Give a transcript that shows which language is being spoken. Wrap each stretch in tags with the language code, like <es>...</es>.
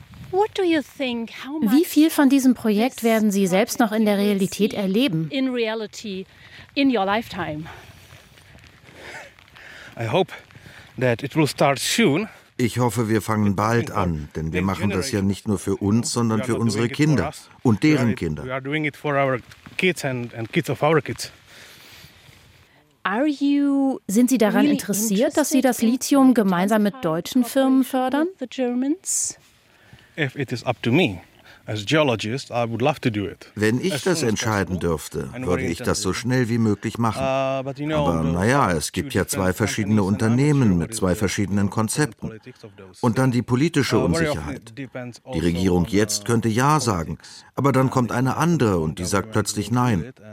<de>Wie viel von diesem Projekt werden Sie selbst noch in der Realität erleben?</de> <en>In reality, in your lifetime. I hope that it will start soon.</en> <de>Ich hoffe, wir fangen bald an, denn wir machen das ja nicht nur für uns, sondern für unsere Kinder und deren Kinder.</de> <en>We are doing it for our kids and kids of our kids. Are you</en> <de>sind Sie daran</de> <en>really</en> <de>interessiert, dass Sie das Lithium gemeinsam mit deutschen Firmen fördern?</de> <en>The Germans? If it is up to me. As geologist, I would love to do it.</en> <de>Wenn ich das entscheiden dürfte, würde ich das so schnell wie möglich machen. Aber naja, es gibt ja zwei verschiedene Unternehmen mit zwei verschiedenen Konzepten. Und dann die politische Unsicherheit. Die Regierung jetzt könnte ja sagen, aber dann kommt eine andere und die sagt plötzlich nein.</de>